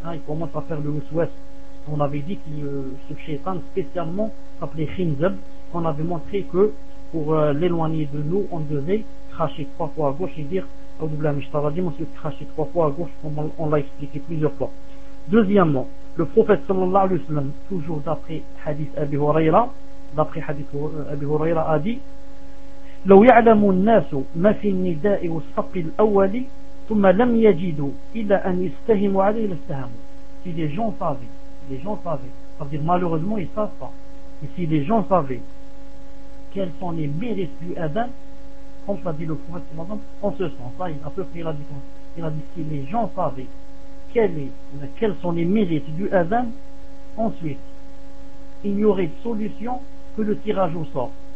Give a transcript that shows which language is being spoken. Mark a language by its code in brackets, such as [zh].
[fr] Il commence à faire le souhait. On avait dit que ce shaitan spécialement s'appelait Khinzab, qu'on avait montré que pour l'éloigner de nous, on devait cracher trois fois à gauche et dire Audoubla Mishtaradim, on se cracher trois fois à gauche, comme on l'a expliqué plusieurs fois. Deuxièmement, le prophète sallallahu alayhi wa sallam, toujours d'après Hadith Abi Huraira, a dit [ar] لو يعلم الناس ما في النداء والصف الأول ثم لم يجدوا إلا أن يستهموا عليه لاستهموا. [fr] Si les gens savaient, ça veut dire malheureusement ils ne savent pas, et si les gens savaient quels sont les mérites du adhan, comme l'a dit le prophète par exemple, en ce sens, là, il a dit si les gens savaient quels sont les mérites du adhan, ensuite, il n'y aurait de solution que le tirage au sort.